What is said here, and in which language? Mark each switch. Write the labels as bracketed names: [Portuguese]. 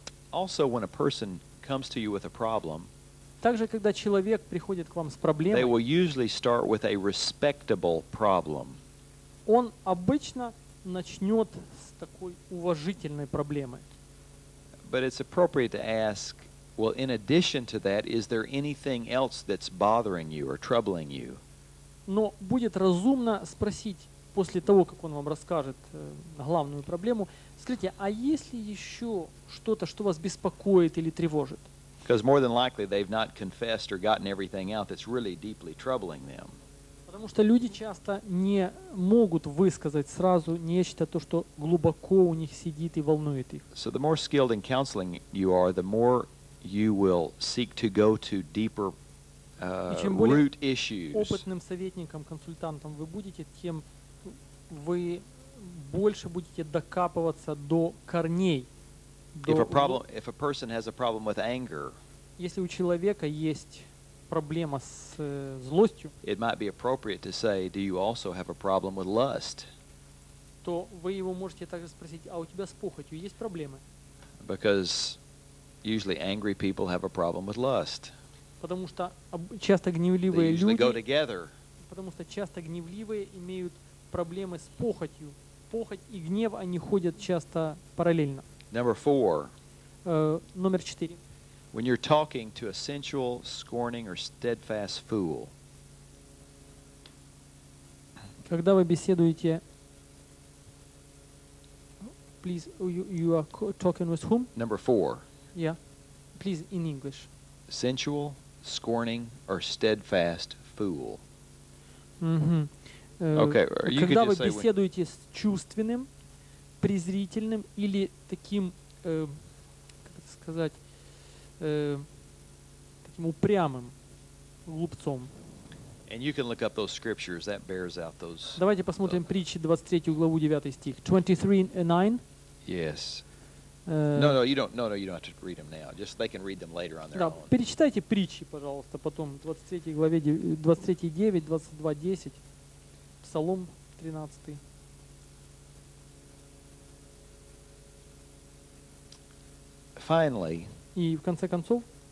[English] Also, when a person comes to you with a problem, [Russian] также, когда человек приходит к вам с проблемой, [English] they will usually start with a respectable problem. [Russian] Он обычно начнет с такой уважительной проблемы. [English] But it's appropriate to ask, well, in addition to that, is there anything else that's bothering you or troubling you? [Russian] Но будет разумно спросить после того, как он вам расскажет главную проблему, скажите, а есть ли еще что-то, что вас беспокоит или тревожит? [English] Because more than likely they've not confessed or gotten everything out that's really deeply troubling them. [Russian] Потому что люди часто не могут высказать сразу нечто, то, что глубоко у них сидит и волнует их. [English] So the more skilled in counseling you are, the more you will seek to go to deeper [Russian] и чем более [English] root issues. [Russian] Опытным советником, консультантом вы будете, тем вы больше будете докапываться до корней. [English] If a person has a problem with anger, [Russian] если у человека есть проблема с злостью, [English] it might be appropriate to say, do you also have a problem with lust? [Russian] То вы его можете также спросить, а у тебя с похотью есть проблемы? [English] Because usually angry people have a problem with lust. [Russian] Потому что часто гневливые [English] they [Russian] люди [English] go together. [Russian] Потому что часто гневливые имеют проблемы с похотью. Похоть и гнев, они ходят часто параллельно. [English] Number 4. [Russian] Номер 4. [English] When you're talking to a sensual, scorning or steadfast fool. [Russian] Когда вы беседуете [English] please you are talking with whom? Number 4. Yeah. please, in English. Sensual, scorning, or steadfast fool. Mm-hmm. Okay, or you could just say... [Russian] Когда вы беседуете с чувственным, презрительным или таким, как это сказать, таким упрямым глупцом. [English] And you can look up those scriptures. That bears out those... [Russian] Давайте посмотрим притчи, 23 главу, 9 стих. [English] 23:9. Yes. No, you don't have to read them now. Just they can read them later on their [Russian] да, [English] own. [Russian] Да, перечитайте притчи, пожалуйста, потом 23 главе 23:9, 22:10, Псалом 13. [English] Finally. [Russian] И в конце концов.